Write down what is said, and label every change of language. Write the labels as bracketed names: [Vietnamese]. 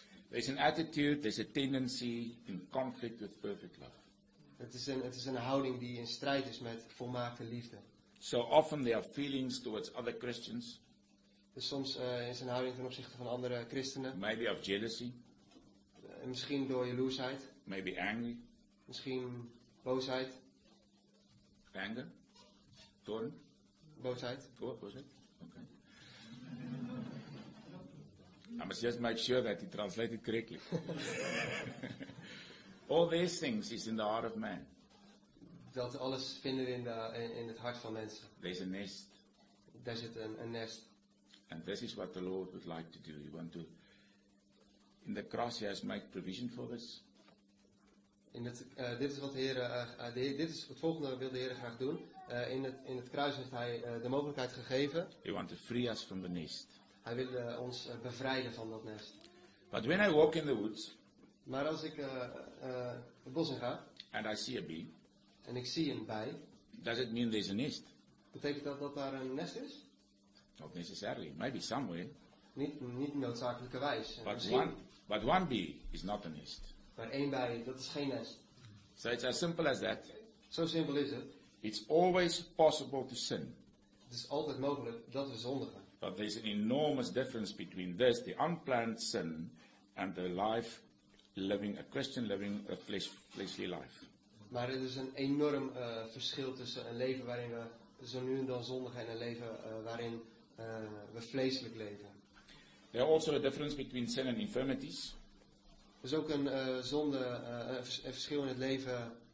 [English] There's an attitude, there's a tendency in conflict with perfect love. [Dutch] Het is een houding die in strijd is met volmaakte liefde. [English] So often there are feelings towards other Christians. [Dutch] Dus soms is een houding ten opzichte van andere christenen. [English] Maybe of jealousy. [Dutch] Misschien door jaloersheid. [English] Maybe angry. [Dutch] Misschien boosheid. [English] Anger. Toorn. [Dutch] Boosheid. Boosheid. Okay. [English] I must just make sure that he translated correctly. All these things is in the heart of man. [Dutch] Dat alles vinden we in het hart van mensen. [English] There's a nest. [Dutch] Daar zit een nest. [English] And this is what the Lord would like to do. He want to, in the cross, he has made provision for this. [Dutch] Dit is het volgende wil de Heer graag doen. In het kruis heeft hij de mogelijkheid gegeven. [English] He want to free us from the nest. [Dutch] Hij wil ons bevrijden van dat nest. [English] But when I walk in the woods. [Dutch] Maar als ik het bos in ga. [English] And I see a bee. [Dutch] En ik zie een bij. [English] Does it mean there's a nest? [Dutch] Betekent dat daar een nest is? [English] Not necessarily, maybe somewhere. [Dutch] Niet noodzakelijkerwijs. [English] But one bee is not a nest. [Dutch] Maar één bij, dat is geen nest. [English] So it's as simple as that. [Dutch] Zo simpel is het. [English] It's always possible to sin. [Dutch] Het is altijd mogelijk dat we zondigen. [English] But there's an enormous difference between this, the unplanned sin, and the life living, a Christian living, a fleshly life. [Dutch] Maar er is een enorm verschil tussen een leven waarin we zo nu en dan zondigen en een leven waarin we vleeselijk leven. [English] There are also a difference between sin and infirmities. [Dutch] Er is ook een zonde, een verschil in het leven.